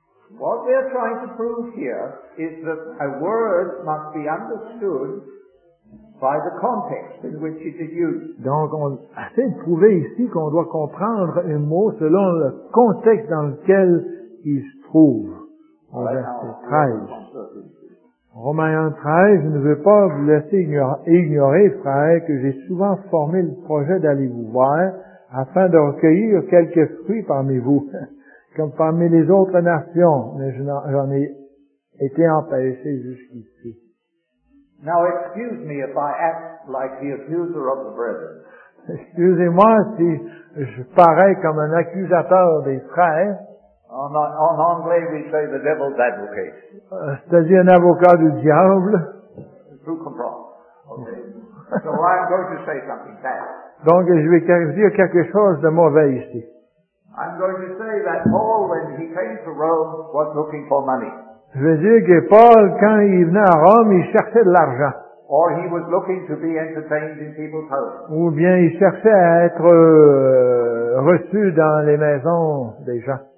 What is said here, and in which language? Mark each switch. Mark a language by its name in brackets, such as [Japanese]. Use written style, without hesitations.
[English] What we are trying to prove here is that a word must be understood by the context in which it is used. [French] Donc, on essaie de prouver ici qu'on doit comprendre un mot selon le contexte dans lequel il se trouve. En verset 13. Romains 1, 13, je ne veux pas vous laisser ignorer, frère, que j'ai souvent formé le projet d'aller vous voir afin de recueillir quelques fruits parmi vous. Comme parmi les autres nations, mais j'en ai été empêché jusqu'ici. [English] Now excuse me if I act like the accuser of the brethren. [French] Excusez-moi si je parais comme un accusateur des frères. En anglais, [English] we say the devil's advocate. [French] C'est-à-dire un avocat du diable. [English] Who comprends? Okay. So I'm going to say something bad. [French] Donc je vais dire quelque chose de mauvais ici. [English] I'm going to say that Paul, when he came to Rome, was looking for money. [French] Je veux dire que Paul, quand il venait à Rome, il cherchait de l'argent. [English] Or he was looking to be entertained in people's homes. [French] Ou bien il cherchait à être reçu dans les maisons des gens.